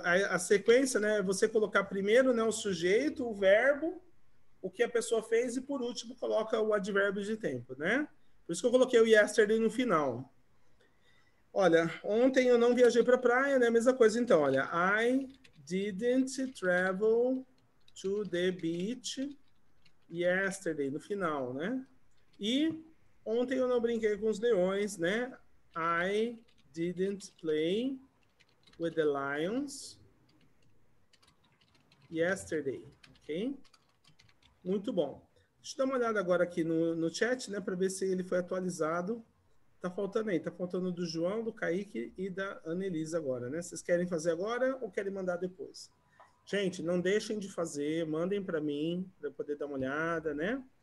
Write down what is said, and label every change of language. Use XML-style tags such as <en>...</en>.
<pt>A sequência, né, é você colocar primeiro, né, o sujeito, o verbo, o que a pessoa fez e por último coloca o advérbio de tempo, né? Por isso que eu coloquei o yesterday no final. Olha, ontem eu não viajei para a praia, né? Mesma coisa, então, olha.</pt> <en>I didn't travel to the beach yesterday,</en> <pt>no final, né? E ontem eu não brinquei com os leões, né?</pt> <en>I didn't play with the lions yesterday, ok?</en> <pt>Muito bom. Deixa eu dar uma olhada agora aqui no chat, né, para ver se ele foi atualizado. Tá faltando aí, tá faltando do João, do Kaique e da Anelisa agora, né? Vocês querem fazer agora ou querem mandar depois? Gente, não deixem de fazer, mandem para mim, para eu poder dar uma olhada, né?</pt>